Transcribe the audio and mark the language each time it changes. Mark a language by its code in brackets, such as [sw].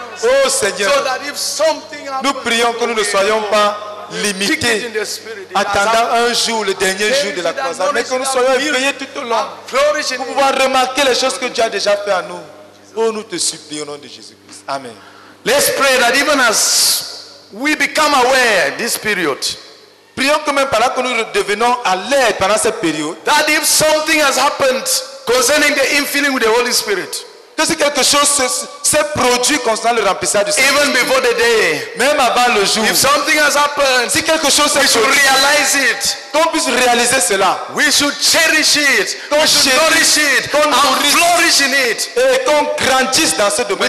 [fr] Oh Seigneur, nous prions que nous ne soyons pas limités attendant un jour, le dernier jour de la croisade, mais que nous soyons éveillés tout au long pour pouvoir remarquer les choses que Dieu a déjà fait à nous. Oh, nous te supplions au nom de Jésus-Christ. Amen. [en] Let's pray that even as we become aware this period, [fr] prions que même pendant que nous devenons alertes pendant cette période, [en] that if something has happened concerning the infilling with the Holy Spirit, [fr] que si quelque chose s'est produit concernant le remplissage du Saint-Esprit, [en] even before the day, [fr] même avant le jour, [en] if something has happened, [fr] si quelque chose s'est produit, [en] we should realize it, [fr] qu'on puisse réaliser cela, [en] we should cherish it, qu'on nourish it, qu'on flourish in it, [fr] et qu'on grandisse dans ce domaine,